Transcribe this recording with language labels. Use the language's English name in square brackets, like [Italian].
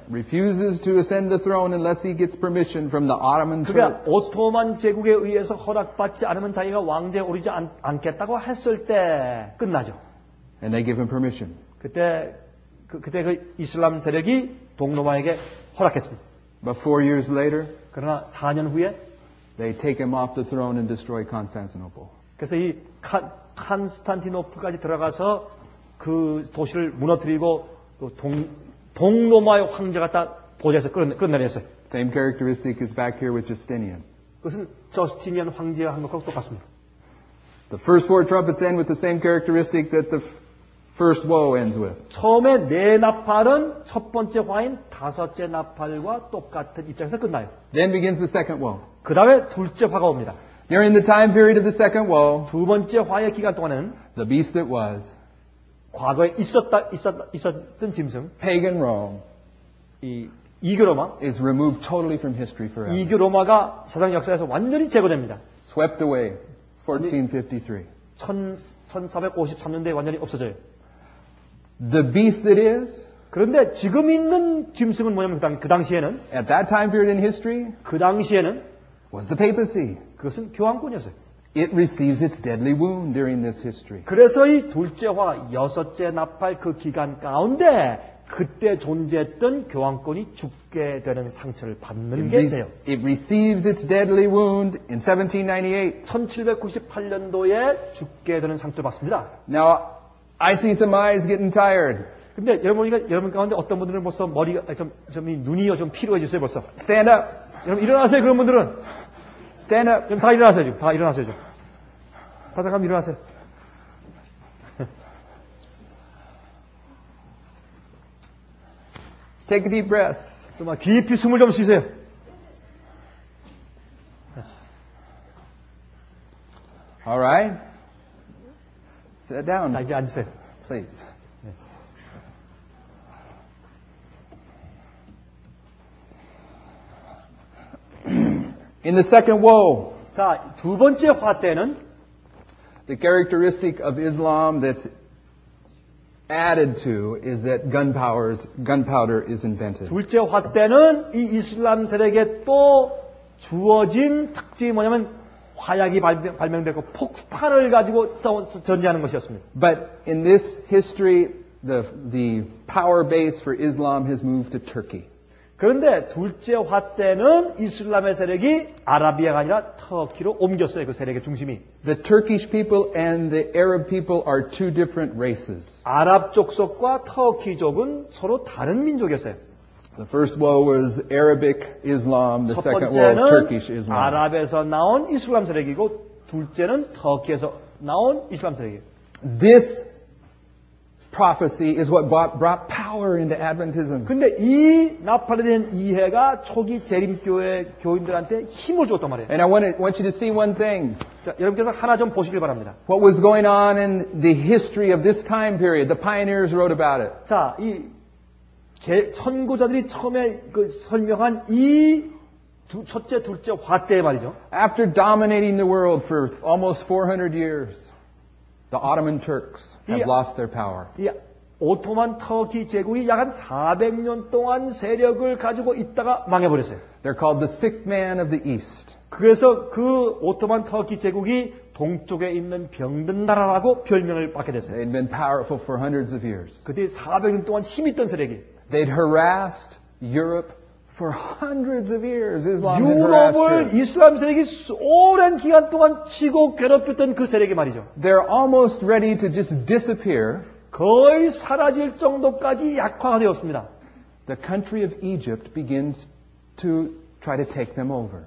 [English] Refuses to ascend the throne unless he gets permission from the Ottoman Turks. [Korean] 그가 오토만 제국에 의해서 허락받지 않으면 자기가 왕제 오르지 않겠다고 했을 때 끝나죠. [English] And they give him permission. [Korean] 그때 그 이슬람 세력이 동로마에게 허락했습니다. [English] But 4 years later, [Korean] 그러나 4년 후에, [English] they take him off the throne and destroy Constantinople. [Korean] 그래서 이 칸스탄티노플까지 들어가서 그 도시를 무너뜨리고 동로마의 황제가 딱 보좌에서 끝내렸어요. [English] Same characteristic is back here with Justinian. [Korean] 그것은 저스티니안 황제와 한 것과 똑같습니다. [English] The first four trumpets end with the same characteristic that the first woe ends with. [Korean] 처음에 네 나팔은 첫 번째 화인 다섯째 나팔과 똑같은 입장에서 끝나요. [English] Then begins the second woe. [Korean] 그 다음에 둘째 화가 옵니다. [English] During the time period of the second woe, [Korean] 두 번째 화의 기간 동안은 [English] the beast that was [Korean] 과거에 있었던 짐승 [English] pagan Rome [Korean] 이교로마 [English] is removed totally from history forever. [Korean] 이교로마가 세상 역사에서 완전히 제거됩니다. [English] Swept away. 1453. [Korean] 1453년대에 완전히 없어져요. [English] The beast that is. [Korean] 그런데 지금 있는 짐승은 뭐냐면 그 당시에는. [English] At that time period in history. [Korean] 그 당시에는. [English] Was the papacy. [Korean] 그것은 교황권이었어요. [English] It receives its deadly wound during this history. [Korean] 그래서 이 둘째화 여섯째 나팔 그 기간 가운데 그때 존재했던 교황권이 죽게 되는 상처를 받는 게 돼요. [English] It receives its deadly wound in 1798. [Korean] 1798년도에 죽게 되는 상처를 받습니다. [English] Now, I see some eyes getting tired. [Korean] 근데 여러분 가운데 어떤 분들은 벌써 머리가 눈이 좀 피로해졌어요, 벌써. [English] Stand up. [Korean] 여러분 일어나세요, 그런 분들은. [English] Stand up. [Korean] 여러분 다 일어나세요, 지금. 다 잠깐 일어나세요. [English] Take a deep breath. [Korean] 좀 깊이 숨을 좀 쉬세요. [English] All right. Sit down. [Korean] 자, 이제 앉으세요. [English] Please. [Korean] 네. [English] In the second woe. [Korean] 자, 두 번째 화대는 [English] The characteristic of Islam that's added to is that gunpowder is invented. [Korean] 둘째 화대는 이 이슬람 세력에 또 주어진 특징이 뭐냐면 화약이 발명되고 폭탄을 가지고 전쟁하는 것이었습니다. [English] But in this history the power base for Islam has moved to Turkey. [Korean] 그런데 둘째 화대는 이슬람의 세력이 아라비아가 아니라 터키로 옮겼어요. 그 세력의 중심이. [English] The Turkish people and the Arab people are two different races. [Korean] 아랍 족속과 터키족은 서로 다른 민족이었어요. [English] The first war was Arabic Islam, the second war was Turkish Islam. [Korean] 아랍에서 나온 이슬람 세력이고 둘째는 터키에서 나온 이슬람 세력이에요. [English] This prophecy is what brought power into Adventism. [Korean] 근데 이 나팔리된 이해가 초기 재림교회 교인들한테 힘을 줬단 말이에요. [English] And I want you to see one thing. [Korean] 자, 여러분께서 하나 좀 보시길 바랍니다. [English] What was going on in the history of this time period? The pioneers wrote about it. [Korean] 자, 이 선구자들이 처음에 그 설명한 이 첫째, 둘째 화때 말이죠. [English] After dominating the world for almost 400 years, the Ottoman Turks have lost their power. [Korean] 이 오토만 터키 제국이 약 한 400년 동안 세력을 가지고 있다가 망해버렸어요. [English] They're called the sick man of the East. [Korean] 그래서 그 오토만 터키 제국이 동쪽에 있는 병든 나라라고 별명을 받게 됐어요. [English] They've been powerful for hundreds of years. [Korean] 그 뒤 400년 동안 힘 있던 세력이 [English] They'd harassed Europe for hundreds of years. Islam had harassed Europe. [Korean] 유럽을 이슬람 세력이 오랜 기간 동안 치고 괴롭혔던 그 세력이 말이죠. [English] They're almost ready to just disappear. [Korean] 거의 사라질 정도까지 약화되었습니다. [English] The country of Egypt begins to try to take them over.